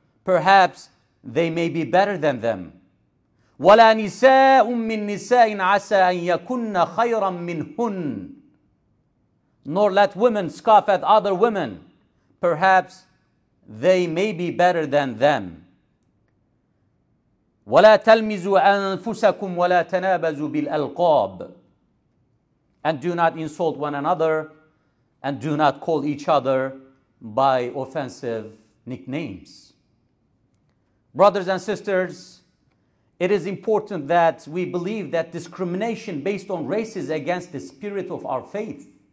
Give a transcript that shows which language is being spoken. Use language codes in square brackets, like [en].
[en] Perhaps they may be better than them. [ar] وَلَا نِسَاءٌ مِّنْ نِسَاءٍ عَسَىٰ أَنْ يَكُنَّ خَيْرًا مِّنْهُنْ. [en] Nor let women scoff at other women. Perhaps they may be better than them. [ar] ولا تلمزوا أنفسكم ولا تنابزوا بالألقاب. [en] And do not insult one another and do not call each other by offensive nicknames. Brothers and sisters, it is important that we believe that discrimination based on race is against the spirit of our faith.